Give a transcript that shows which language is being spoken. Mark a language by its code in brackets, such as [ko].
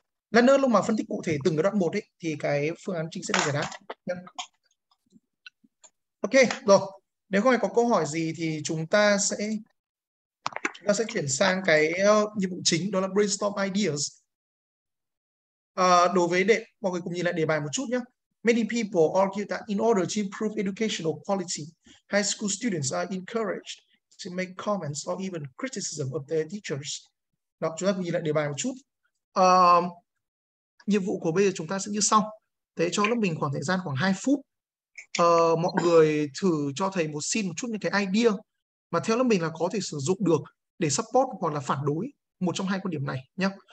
[vi] Lát nữa lúc mà phân tích cụ thể từng cái đoạn 1 ấy, thì cái phương án Trinh sẽ được giải đáp nhé. Ok, rồi. Nếu không ai có câu hỏi gì thì chúng ta sẽ chuyển sang cái nhiệm vụ chính, đó là brainstorm ideas. Đối với đề, mọi người cùng nhìn lại đề bài một chút nhé. [en] Many people argue that in order to improve educational quality, high school students are encouraged to make comments or even criticism of their teachers. [vi] Đó, chúng ta cùng nhìn lại đề bài một chút. Nhiệm vụ của bây giờ chúng ta sẽ như sau. Thế cho lớp mình khoảng thời gian khoảng 2 phút. Mọi người thử cho thầy một xin một chút những cái idea mà theo lớp mình là có thể sử dụng được để support hoặc là phản đối một trong hai quan điểm này nhé.